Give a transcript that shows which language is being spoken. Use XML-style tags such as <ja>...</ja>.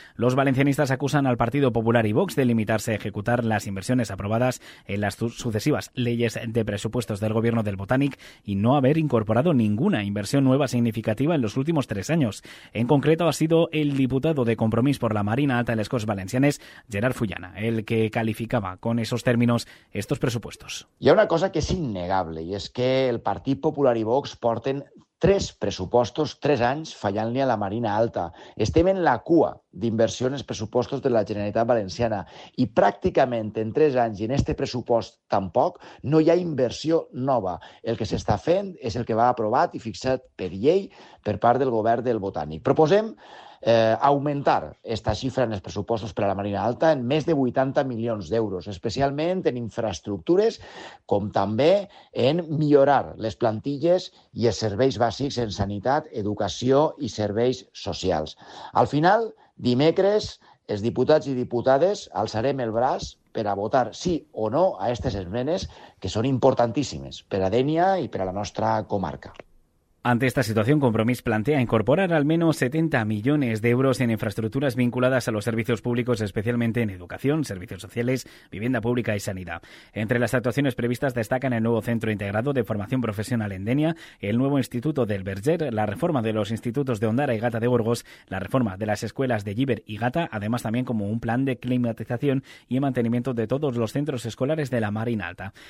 <es>Los valencianistas acusan al Partido Popular y Vox de limitarse a ejecutar las inversiones aprobadas en las sucesivas leyes de presupuestos del Gobierno del Botànic y no haber incorporado ninguna inversión nueva significativa en los últimos 3 años. En concreto, ha sido el diputado de Compromís por la Marina Alta de les Corts Valencianes, Gerard Fullana, el que calificaba con esos términos estos presupuestos.</es> <ca>Hi ha una cosa que és innegable, i és que el Partit Popular i Vox porten 3 pressupostos, 3 anys fallant-li a la Marina Alta. Estem en la cua d'inversió en els pressupostos de la Generalitat Valenciana i pràcticament en 3 anys i en este pressupost tampoc no hi ha inversió nova. El que s'està fent és el que va aprovat i fixat per llei per part del govern del Botànic. Proposem augmentar esta xifra en els pressupostos per a la Marina Alta en més de 80 milions d'euros, especialment en infraestructures, com també en millorar les plantilles i els serveis bàsics en sanitat, educació i serveis socials. Al final, dimecres, els diputats i diputades alçarem el braç per a votar sí o no a aquestes esmenes que són importantíssimes per a Dénia i per a la nostra comarca.</ca> <es>Ante esta situación, Compromís plantea incorporar al menos 70 millones de euros en infraestructuras vinculadas a los servicios públicos, especialmente en educación, servicios sociales, vivienda pública y sanidad. Entre las actuaciones previstas destacan el nuevo Centro Integrado de Formación Profesional en Denia, el nuevo Instituto del Verger, la reforma de los institutos de Ondara y Gata de Burgos, la reforma de las escuelas de Llíber y Gata, además también como un plan de climatización y mantenimiento de todos los centros escolares de la Marina Alta.</es>